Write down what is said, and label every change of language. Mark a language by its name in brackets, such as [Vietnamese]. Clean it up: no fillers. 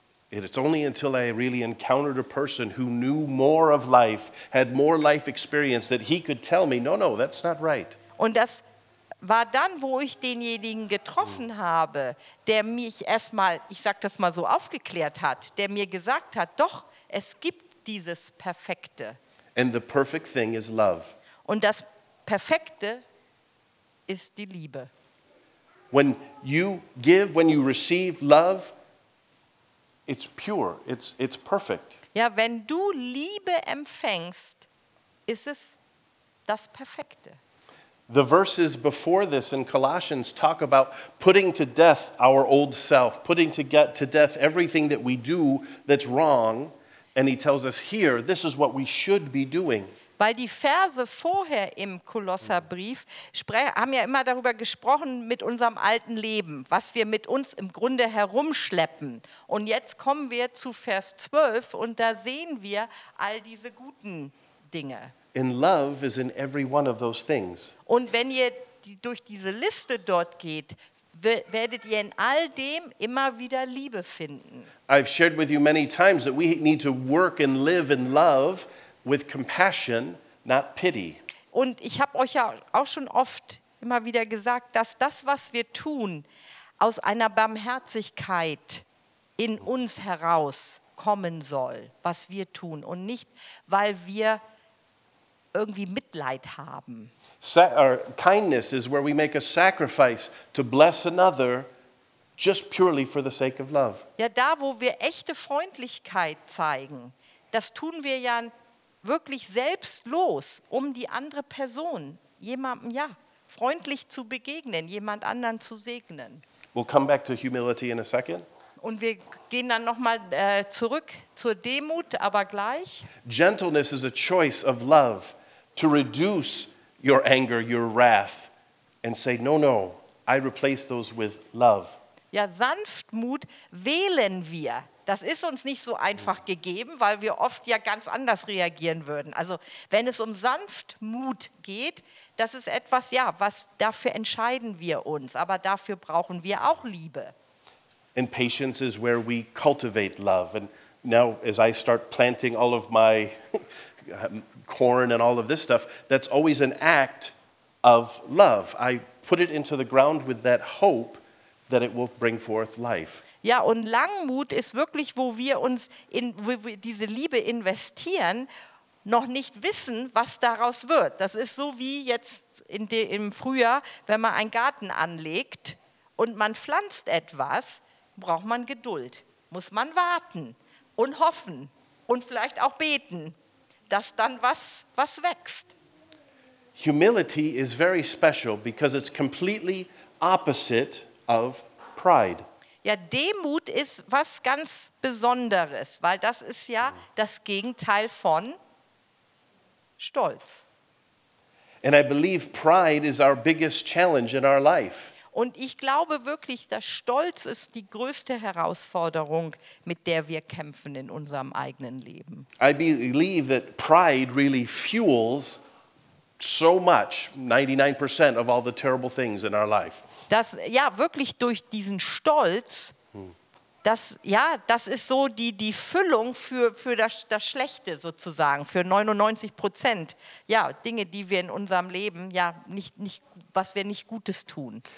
[English] It's only until I really encountered a person who knew more of life, had more life experience, that he could tell me, no, that's not right. [German] Und das war dann, wo ich denjenigen getroffen habe, der mich erstmal, ich sag das mal so, aufgeklärt hat, der mir gesagt hat, doch, es gibt dieses Perfekte. [English] And the perfect thing is love. [German] Und das Perfekte ist die Liebe. [English] When you give, when you receive love, it's pure, it's perfect. [German] Ja, wenn du Liebe empfängst, ist es das Perfekte. [English] The verses before this in Colossians talk about putting to death our old self, putting to death everything that we do that's wrong, and he tells us here, this is what we should be doing. [German] Weil die Verse vorher im Kolosserbrief haben ja immer darüber gesprochen, mit unserem alten Leben, was wir mit uns im Grunde herumschleppen. Und jetzt kommen wir zu Vers 12 und da sehen wir all diese guten Dinge. [English] In love is in every one of those things. [German] Und wenn ihr durch diese Liste dort geht, werdet ihr in all dem immer wieder Liebe finden. [English] I've shared with you many times that we need to work and live in love with compassion, not pity. [German] Und ich habe euch ja auch schon oft immer wieder gesagt, dass das, was wir tun, aus einer Barmherzigkeit in uns herauskommen soll, was wir tun und nicht, weil wir irgendwie Mitleid haben. [English] Kindness is where we make a sacrifice to bless another just purely for the sake of love. [German] Ja, da, wo wir echte Freundlichkeit zeigen, das tun wir ja wirklich selbstlos, um die andere Person, jemandem, ja, freundlich zu begegnen, jemand anderen zu segnen. [English] We'll come back to humility in a second. [German] Und wir gehen dann nochmal zurück zur Demut, aber gleich. [English] Gentleness is a choice of love to reduce your anger, your wrath, and say, no, I replace those with love. [German] Ja, Sanftmut wählen wir. Das ist uns nicht so einfach gegeben, weil wir oft ja ganz anders reagieren würden. Also wenn es um Sanftmut geht, das ist etwas, ja, was dafür entscheiden wir uns. Aber dafür brauchen wir auch Liebe. [English] And patience is where we cultivate love. And now as I start planting all of my corn and all of this stuff, that's always an act of love. I put it into the ground with that hope that it will bring forth life. [German] Ja, und Langmut ist wirklich, wo wir uns in wo wir diese Liebe investieren, noch nicht wissen, was daraus wird. Das ist so wie jetzt im Frühjahr, wenn man einen Garten anlegt und man pflanzt etwas, braucht man Geduld, muss man warten und hoffen und vielleicht auch beten, dass dann was wächst. [English] Humility is very special because it's completely opposite of pride. [German] Ja, Demut ist was ganz Besonderes, weil das ist ja das Gegenteil von Stolz. [English] And I believe pride is our biggest challenge in our life. [German] Und ich glaube wirklich, dass Stolz ist die größte Herausforderung, mit der wir kämpfen in unserem eigenen Leben. [English] I believe that pride really fuels so much, 99% of all the terrible things in our life. [German] Das, ja, wirklich durch diesen Stolz, das, ja, das ist so die Füllung für das Schlechte sozusagen, für 99%, ja, Dinge, die wir in unserem Leben, ja, nicht, was wir nicht Gutes tun.